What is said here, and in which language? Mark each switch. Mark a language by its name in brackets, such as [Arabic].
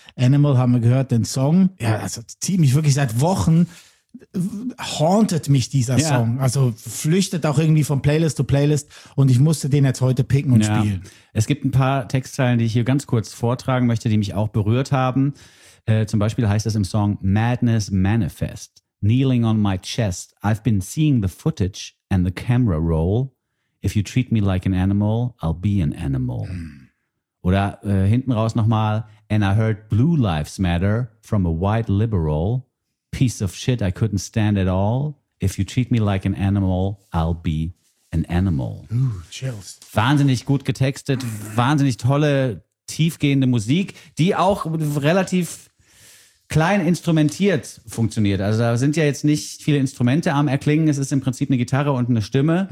[German] Animal haben wir gehört, den Song. Ja, also ziemlich wirklich seit Wochen hauntet mich dieser Song. Also flüchtet auch irgendwie von Playlist zu Playlist und ich musste den jetzt heute picken und spielen. Es gibt ein paar Textzeilen, die ich hier ganz kurz vortragen möchte, die mich auch berührt haben. Zum Beispiel heißt es im Song Madness Manifest. [English] Kneeling on my chest, I've been seeing the footage and the camera roll. If you treat me like an animal, I'll be an animal. [German] Oder hinten raus nochmal, [English] and I heard Blue Lives Matter from a white liberal. Piece of shit, I couldn't stand at all. If you treat me like an animal, I'll be an animal. Ooh, chills. [German] Wahnsinnig gut getextet, wahnsinnig tolle, tiefgehende Musik, die auch relativ klein instrumentiert funktioniert. Also da sind ja jetzt nicht viele Instrumente am Erklingen. Es ist im Prinzip eine Gitarre und eine Stimme.